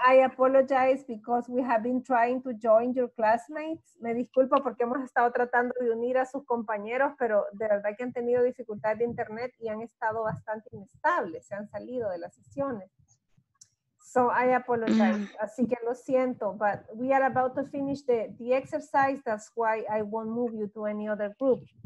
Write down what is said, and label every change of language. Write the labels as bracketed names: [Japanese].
[English] I apologize because we have been trying to join your classmates. [Spanish] Me disculpo porque hemos estado tratando de unir a sus compañeros, pero de verdad que han tenido dificultad de internet y han estado bastante inestables, se han salido de las sesiones. [English] So I apologize, [Spanish] así que lo siento, [English] but we are about to finish the exercise, that's why I won't move you to any other group.